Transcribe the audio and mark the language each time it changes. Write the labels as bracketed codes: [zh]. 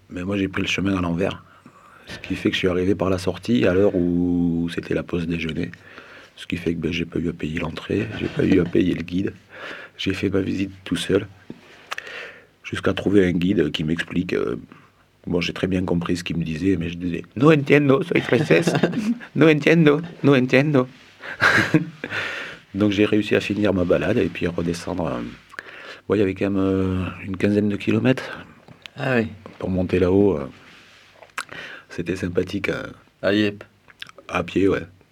[fr] Mais moi, j'ai pris le chemin à l'envers. Ce qui fait que je suis arrivé par la sortie à l'heure où c'était la pause déjeuner. Ce qui fait que j'ai pas eu à payer l'entrée, j'ai pas eu à payer le guide. J'ai fait ma visite tout seul, jusqu'à trouver un guide qui m'explique. Bon, j'ai très bien compris ce qu'il me disait, mais je disais « [es] No entiendo, soy francés. No entiendo, no entiendo. [fr] » Donc j'ai réussi à finir ma balade et puis redescendre. Il y avait quand même une quinzaine de kilomètres. Ah oui. Pour monter là-haut. C'était sympathique. À Yep. À pied, ouais.